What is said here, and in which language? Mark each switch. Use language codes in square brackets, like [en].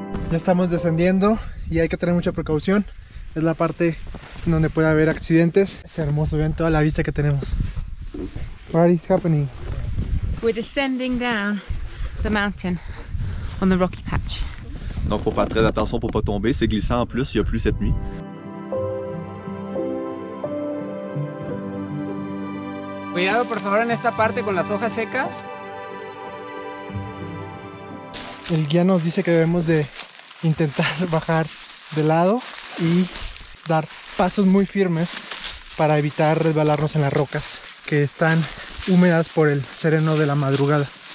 [es] Ya estamos descendiendo y hay que tener mucha precaución. Es la parte donde puede haber accidentes. Es hermoso, vean toda la vista que tenemos. [en] What is happening? We're descending down the mountain on the rocky patch. [fr] Donc faut faire très attention pour pas tomber, c'est glissant en plus, il y a plu cette nuit. [es] Cuidado por favor en esta parte con las hojas secas. El guía nos dice que debemos de intentar bajar de lado y dar pasos muy firmes para evitar resbalarnos en las rocas que están húmedas por el sereno de la madrugada.